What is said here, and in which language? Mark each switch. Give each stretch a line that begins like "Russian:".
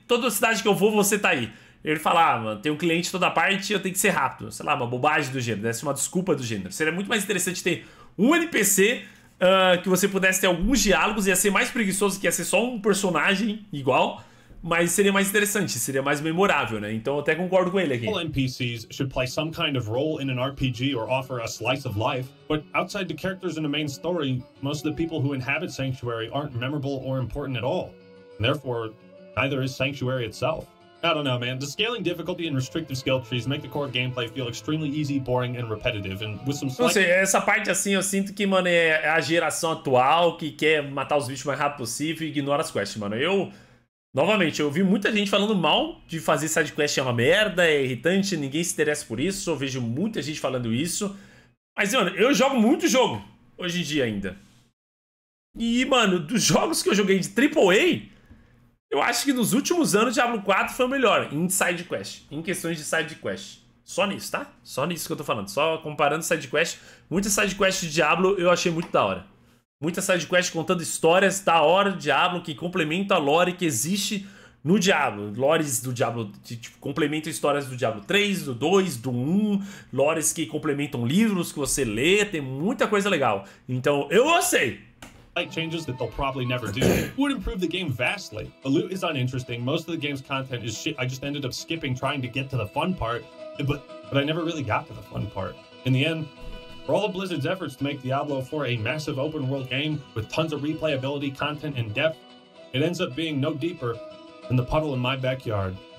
Portuguese: Toda cidade que eu vou, você tá aí. Ele fala, ah, mano, tem um cliente toda parte, eu tenho que ser rápido. Sei lá, uma bobagem do gênero. Deve ser uma desculpa do gênero. Seria muito mais interessante ter... um NPC que você pudesse ter alguns diálogos, ia ser mais preguiçoso que ia ser só um personagem igual, mas seria mais interessante, seria mais memorável, né? Então eu até concordo com ele aqui.
English: All NPCs should play some kind of role in an RPG or offer a slice of life, but outside the characters in the main story, most of the people who inhabit Sanctuary aren't memorable or important at all. And therefore, neither is Sanctuary itself. I don't know, man. The scaling difficulty and restrictive skill trees make the core gameplay feel extremely easy, boring, and repetitive. And with some
Portuguese: slight... Não sei, essa parte assim, eu sinto que, mano, é a geração atual que quer matar os bichos o mais rápido possível e ignora as quests, mano. Eu, novamente, eu vi muita gente falando mal de fazer sidequest, é uma merda, é irritante, ninguém se interessa por isso. Eu vejo muita gente falando isso. Mas, mano, eu jogo muito jogo hoje em dia ainda. E, mano, dos jogos que eu joguei de AAA... Eu acho que nos últimos anos, Diablo 4 foi o melhor em side quest, em questões de side quest. Só nisso, tá? Só nisso que eu tô falando. Só comparando side quest, muita side quest de Diablo eu achei muito da hora. Muita side quest contando histórias da hora do Diablo, que complementa a lore que existe no Diablo. Lores do Diablo, tipo, complementam histórias do Diablo 3, do 2, do 1. Lores que complementam livros que você lê, tem muita coisa legal. Então, eu gostei!
English: Like changes that they'll probably never do would improve the game vastly. The loot is uninteresting. Most of the game's content is shit. I just ended up skipping trying to get to the fun part, but I never really got to the fun part. In the end, for all of Blizzard's efforts to make Diablo 4 a massive open world game with tons of replayability, content, and depth, it ends up being no deeper than the puddle in my backyard.